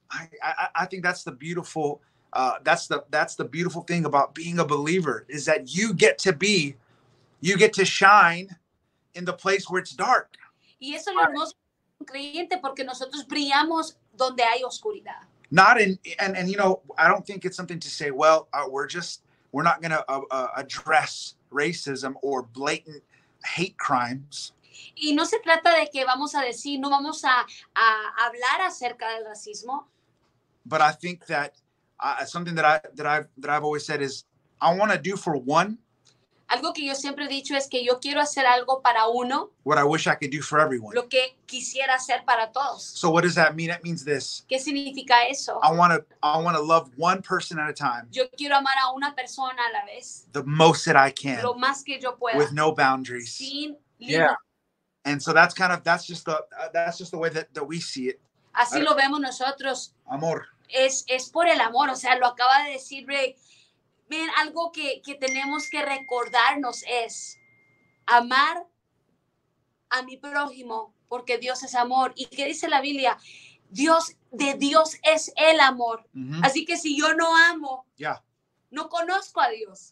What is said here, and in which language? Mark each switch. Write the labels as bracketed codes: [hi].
[en] I think that's the beautiful that's the beautiful thing about being a believer is that you get to shine in the place where it's dark. [es] Y eso es lo hermoso, creyente, porque nosotros brillamos donde hay oscuridad. [en] Not in and you know, I don't think it's something to say, well, we're not going to address racism or blatant hate crimes. [es] Y no se trata de que vamos a decir, no vamos a hablar acerca del racismo. [en] But I think that something that I've always said is I want to do for one. [es] Algo que yo siempre he dicho es que yo quiero hacer algo para uno. [en] What I wish I could do for everyone. [es] Lo que quisiera hacer para todos. [en] So what does that mean? It means this. [es] ¿Qué significa eso? [en] I want to love one person at a time. [es] Yo quiero amar a una persona a la vez. [en] The most that I can. [es] Lo más que yo pueda. [en] With no boundaries. [es] Sin límites. Yeah. [en] And so that's just the way that we see it. [es] Así lo vemos nosotros. Amor. Es por el amor, o sea, lo acaba de decir Ray. Miren, algo que tenemos que recordarnos es amar a mi prójimo porque Dios es amor. ¿Y qué dice la Biblia? Dios, de Dios es el amor. Mm-hmm. Así que si yo no amo, no conozco a Dios.